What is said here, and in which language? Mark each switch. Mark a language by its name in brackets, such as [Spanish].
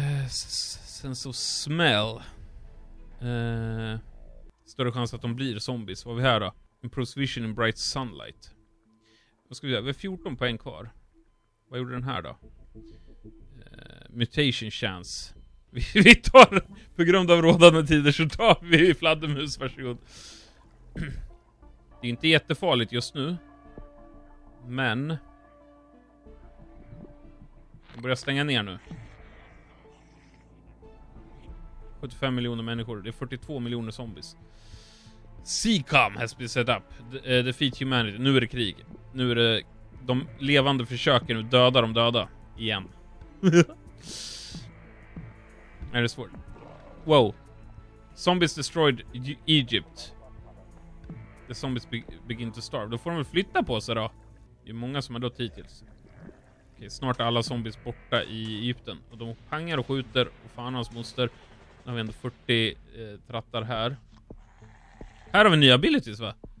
[English] Sense of smell. [Swedish] Större chans att de blir zombies. Vad har vi här då? [English] Improves vision in bright sunlight. [Swedish] Vad ska vi göra? Vi har 14 poäng kvar. Vad gjorde den här då? Mutation chance. Vi tar, på grund av rådande tider så tar vi fladdermus, varsågod. Det är inte jättefarligt just nu. Men. Jag börjar stänga ner nu. 75 miljoner människor, det är 42 miljoner zombies. [English] Seacom has been set up. Defeat humanity, [Swedish] nu är det krig. Nu är det, de levande försöker nu döda de döda. Igen. Är det svårt? Wow. [English] Zombies destroyed Egypt. The zombies begin to starve. [Swedish] Då får de väl flytta på sig då. Det är många som har dött hittills. Okej, okay, snart är alla zombies borta i Egypten. Och de pangar och skjuter. Och fan hans monster. Nu har vi ändå 40 trattar här. Här har vi nya abilities va?